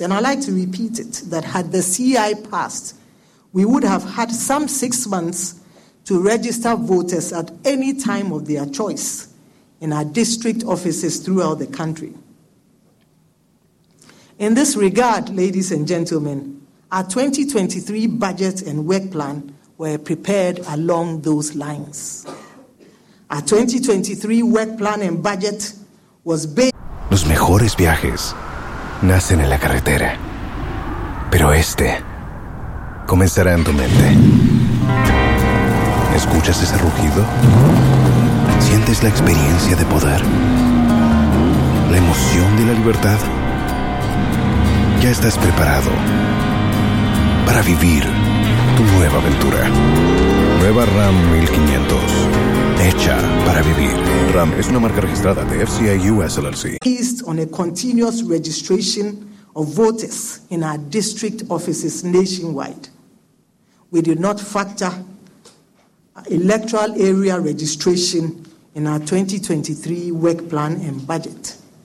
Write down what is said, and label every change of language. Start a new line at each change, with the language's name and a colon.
English: And I like to repeat it, that had the CI passed, we would have had some 6 months to register voters at any time of their choice in our district offices throughout the country. In this regard, ladies and gentlemen, our 2023 budget and work plan were prepared along those lines. Our 2023 work plan and budget was based.
Spanish: Los mejores viajes nacen en la carretera, pero este comenzará en tu mente. ¿Escuchas ese rugido? ¿Sientes la experiencia de poder? ¿La emoción de la libertad? Ya estás preparado para vivir tu nueva aventura. Nueva Ram 1500. Hecha para vivir. Ram es una marca registrada de FCI US LLC.
English: Based on a continuous registration of voters in our district offices nationwide, we did not factor electoral area registration in our 2023 work plan and budget.